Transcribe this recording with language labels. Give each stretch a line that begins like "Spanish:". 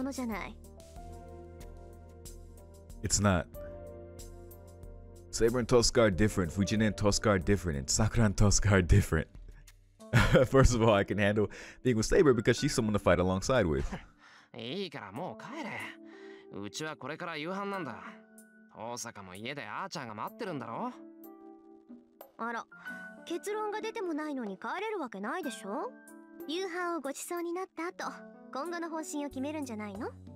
Japanese: でもおかしくない?セイバーだって女の子だし、聞いた話じゃ藤村先生も桜もここに来るんでしょ?なら私だって似たようなものじゃない。
English: It's not. Saber and Tosca are different, Fujin and Tosca are different, and Sakura and Tosca are different. First of all, I can handle being with Saber because she's someone to fight alongside with.
Japanese: いいからもう帰れ。うちはこれから夕飯なんだ。大阪も家でアーチャーが待ってるんだろ。あら、結論が出てもないのに帰れるわけないでしょ。夕飯をごちそうになった後、今後の方針を決めるんじゃないの?